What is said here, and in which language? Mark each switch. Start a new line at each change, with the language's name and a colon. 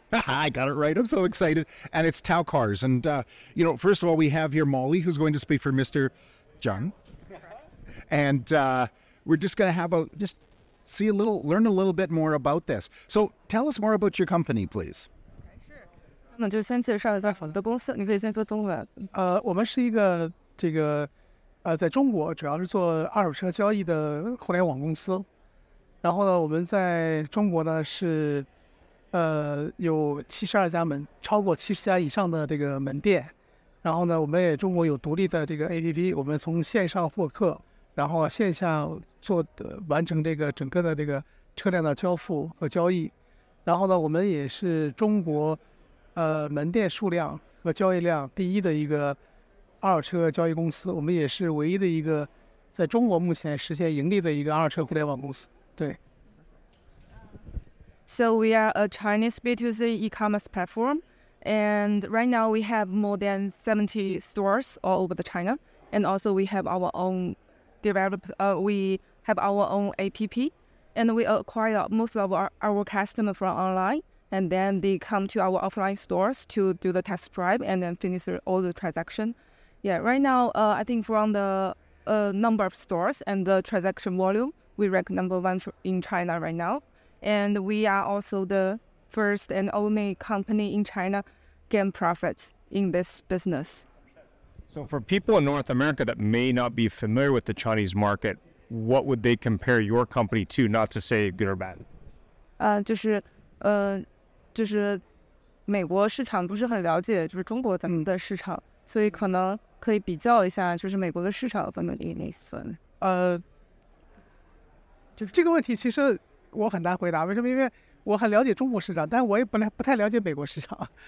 English: I got it right. I'm so excited. And it's Tao Cars. And, you know, first of all, we have here Molly, who's going to speak for Mr. Zhang. And we're just going to have a, just see a little, learn a little bit more about this. So tell us more about your company, please.
Chinese: 那就先介绍一下我们的公司，你可以先说中文。我们是一个这个在中国主要是做二手车交易的互联网公司。然后呢，我们在中国呢是有72家门，超过70家以上的这个门店。然后呢，我们也中国有独立的这个APP，我们从线上获客。然后线下做的完成这个整个的这个车辆的交付和交易。然后呢，我们也是中国门店数量和交易量第一的一个二手车交易公司，我们也是唯一的一个在中国目前实现盈利的一个二手车互联网公司。对。
English: So we are a Chinese B2C e-commerce platform, and right now we have more than 70 stores all over the China, and also we have our own app, and we acquire most of our customers from online, and then they come to our offline stores to do the test drive and then finish all the transaction. Yeah, right now, I think from the number of stores and the transaction volume, we rank number one in China right now. And we are also the first and only company in China gain profits in this business. So for people in North America that may not be familiar with the Chinese market, what would they compare your company to, not to say good or bad?
Chinese: 就是美国市场不是很了解就是中国咱们的市场、mm-hmm. 所以可能可以比较一下就是美国的市场方面的那算。就是这个问题其实我很难回答，为什么？因为我很了解中国市场，但我也不太了解美国市场。